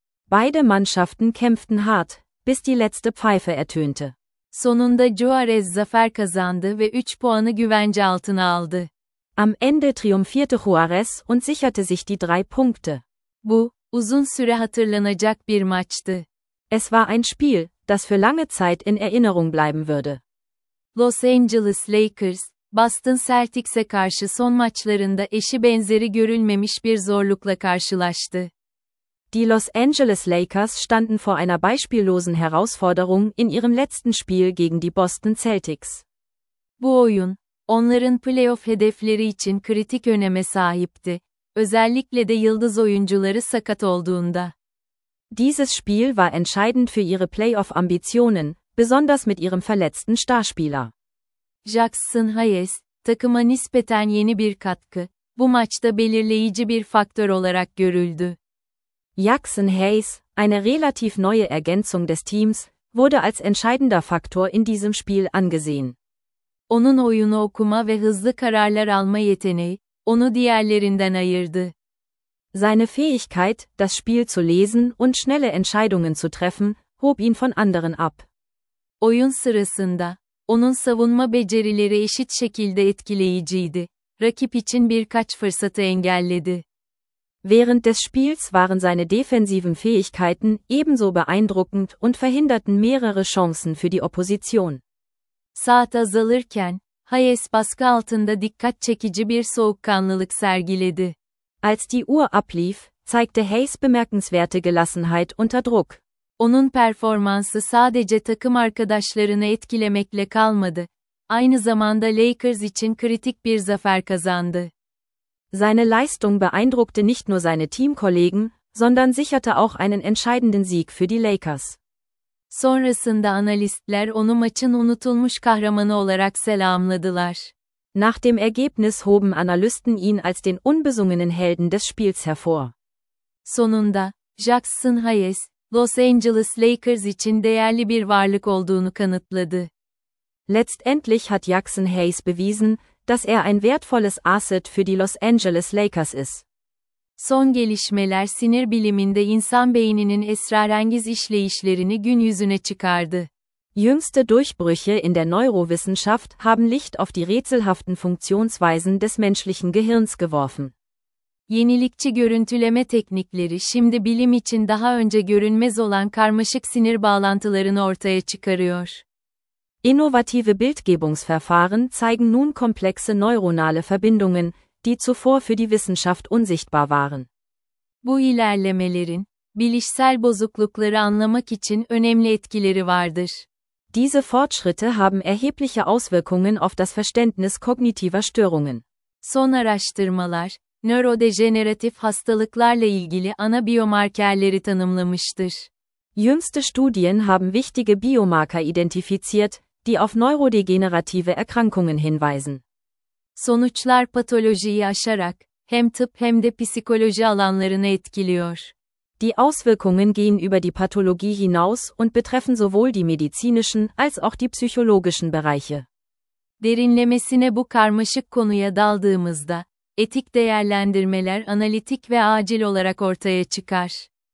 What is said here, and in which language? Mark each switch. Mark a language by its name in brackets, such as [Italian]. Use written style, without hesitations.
[German] Beide Mannschaften kämpften hart, bis die letzte Pfeife ertönte. [Turkish] Sonunda Juarez zafer kazandı ve 3 puanı güvence altına aldı. [German] Am Ende triumphierte Juarez und sicherte sich die 3 Punkte. [Turkish] Bu, uzun süre hatırlanacak bir maçtı. [German] Es war ein Spiel, das für lange Zeit in Erinnerung bleiben würde. [Turkish] Los Angeles Lakers, Boston Celtics'e karşı son maçlarında eşi benzeri görülmemiş bir zorlukla karşılaştı. [German] Die Los Angeles Lakers standen vor einer beispiellosen Herausforderung in ihrem letzten Spiel gegen die Boston Celtics. [Turkish] Bu oyun, onların playoff hedefleri için kritik öneme sahipti, özellikle de yıldız oyuncuları sakat olduğunda. [German] Dieses Spiel war entscheidend für ihre Playoff-Ambitionen, besonders mit ihrem verletzten Starspieler. [Turkish] Jackson Hayes, takıma nispeten yeni bir katkı, bu maçta belirleyici bir faktör olarak görüldü. [German] Jackson Hayes, eine relativ neue Ergänzung des Teams, wurde als entscheidender Faktor in diesem Spiel angesehen. [Turkish] Onun oyunu okuma ve hızlı kararlar alma yeteneği, onu diğerlerinden ayırdı. [German] Seine Fähigkeit, das Spiel zu lesen und schnelle Entscheidungen zu treffen, hob ihn von anderen ab. [Turkish] Oyun sırasında, onun savunma becerileri eşit şekilde etkileyiciydi. Rakip için birkaç fırsatı engelledi. [German] Während des Spiels waren seine defensiven Fähigkeiten ebenso beeindruckend und verhinderten mehrere Chancen für die Opposition. [Turkish] Saat azalırken, Hayes baskı altında dikkat çekici bir soğukkanlılık sergiledi. [German] Als die Uhr ablief, zeigte Hayes bemerkenswerte Gelassenheit unter Druck. [Turkish] Onun performansı sadece takım arkadaşlarını etkilemekle kalmadı, aynı zamanda Lakers için kritik bir zafer kazandı. [German] Seine Leistung beeindruckte nicht nur seine Teamkollegen, sondern sicherte auch einen entscheidenden Sieg für die Lakers. [Turkish] Sonrasında analistler onu maçın unutulmuş kahramanı olarak selamladılar. [German] Nach dem Ergebnis hoben Analysten ihn als den unbesungenen Helden des Spiels hervor. [Turkish] Sonunda, Jackson Hayes, Los Angeles Lakers için değerli bir varlık olduğunu kanıtladı. [German] Letztendlich hat Jackson Hayes bewiesen, dass er ein wertvolles Asset für die Los Angeles Lakers ist. [Turkish] Son gelişmeler sinir biliminde insan beyninin esrarengiz işleyişlerini gün yüzüne çıkardı. [German] Jüngste Durchbrüche in der Neurowissenschaft haben Licht auf die rätselhaften Funktionsweisen des menschlichen Gehirns geworfen. [Turkish] Yenilikçi görüntüleme teknikleri şimdi bilim için daha önce görünmez olan karmaşık sinir bağlantılarını ortaya çıkarıyor. [German] Innovative Bildgebungsverfahren zeigen nun komplexe neuronale Verbindungen, die zuvor für die Wissenschaft unsichtbar waren. [Turkish] Bu ilerlemelerin, bilişsel bozuklukları anlamak için önemli etkileri vardır. [German] Diese Fortschritte haben erhebliche Auswirkungen auf das Verständnis kognitiver Störungen. [Turkish] Son araştırmalar, nörodejeneratif hastalıklarla ilgili ana biomarkerleri tanımlamıştır. [German] Jüngste Studien haben wichtige Biomarker identifiziert, die auf neurodegenerative Erkrankungen hinweisen. [Turkish] Sonuçlar patolojiyi aşarak, hem tıp hem de psikoloji alanlarını etkiliyor. [German] Die Auswirkungen gehen über die Pathologie hinaus und betreffen sowohl die medizinischen als auch die psychologischen Bereiche. [Turkish] Derinlemesine bu karmaşık konuya daldığımızda, etik değerlendirmeler analitik ve acil olarak ortaya çıkar.